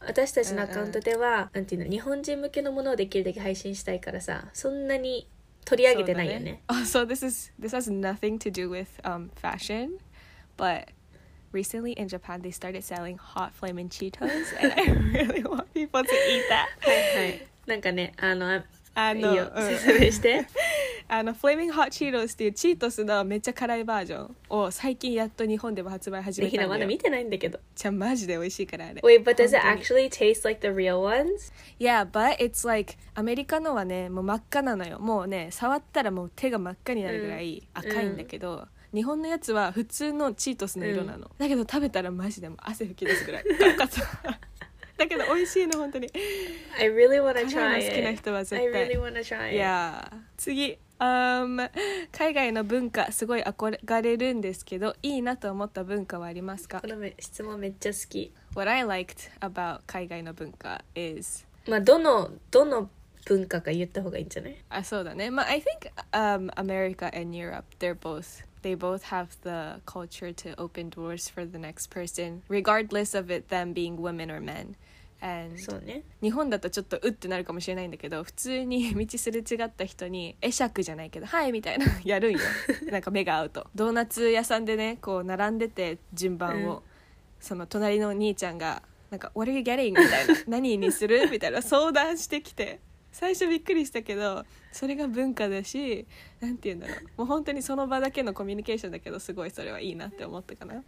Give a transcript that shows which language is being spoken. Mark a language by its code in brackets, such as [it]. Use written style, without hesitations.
[ja] 私たちのアカウントでは、uh-uh. なんていうの日本人向けのものをできるだけ配信したいからさそんなに取り上げてないよね [en] Also this has nothing to do with fashion but recently in Japan they started selling hot flaming Cheetos and I really want people to eat that [ja] はいはいなんかねあのいいよ説明してあのフレーミングホットチートスっていうチートスのめっちゃ辛いバージョンを最近やっと日本でも発売始めたんだよまだ見てないんだけどじゃあマジで美味しいからあれ [en] Wait, but does it actually taste like the real ones? Yeah, but it's like [ja] アメリカのはねもう真っ赤なのよもうね触ったらもう手が真っ赤になるぐらい赤いんだけど、うん、日本のやつは普通のチートスの色なの、うん、だけど食べたらマジでも汗吹き出すぐらいガッカツだけど美味しいの本当に [en] I really wanna try it [ja] 辛いの好きな人は絶対 [en] I really wanna try it [ja] Yeah, 次海外の文化すごい憧れるんですけどいいなと思った文化はありますかこの質問めっちゃ好き [en] What I liked about [ja] 海外の文化 [en] is [ja] まあどの文化か言った方がいいんじゃないあそうだねまあ [en] I think America and Europe they both have the culture to open doors for the next person regardless of it them being women or menAnd、 [ja] そうね日本だとちょっとうってなるかもしれないんだけど普通に道すれ違った人に会釈じゃないけどはいみたいなやるんよなんか目が合うとドーナツ屋さんでねこう並んでて順番を、うん、その隣の兄ちゃんがなんか [en] What are you getting? [ja] みたいな何にするみたいな相談してきて最初びっくりしたけどそれが文化だしなんて言うんだろうもう本当にその場だけのコミュニケーションだけどすごいそれはいいなって思ったかな